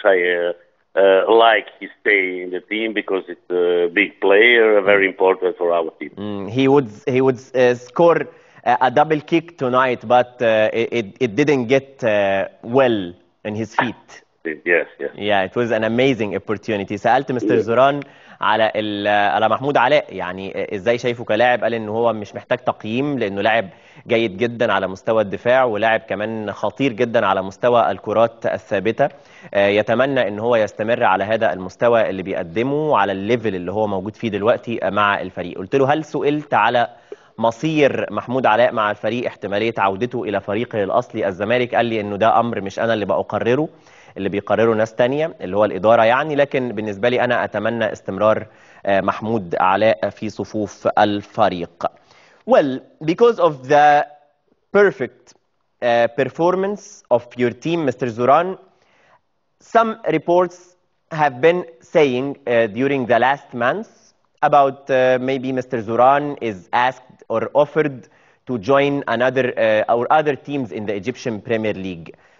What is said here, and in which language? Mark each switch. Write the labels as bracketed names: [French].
[English] I like he stay in the team because it's a big player, very important for our team. He would score a double kick tonight, but it didn't get well in his feet. Yes. Yeah, it was an amazing opportunity. [Arabic] سألت مستر زوران على محمود علاء، يعني ازاي شايفه كلاعب؟ قال ان هو مش محتاج تقييم لانه لاعب جيد جدا على مستوى الدفاع، ولاعب كمان خطير جدا على مستوى الكرات الثابته. يتمنى ان هو يستمر على هذا المستوى اللي بيقدمه، على الليفل اللي هو موجود فيه دلوقتي مع الفريق. قلت له هل سئلت على مصير محمود علاء مع الفريق، احتماليه عودته الى فريقه الاصلي الزمالك؟ قال لي انه ده امر مش انا اللي بقرره، اللي بيقرره ناس تانية اللي هو الإدارة يعني، لكن بالنسبة لي أنا أتمنى استمرار محمود علاء في صفوف الفريق. [English] Well, because of the perfect performance of your team, Mr. Zoran, some reports have been saying during the last months about maybe Mr. Zoran is asked or offered to join another or other teams in the Egyptian Premier League.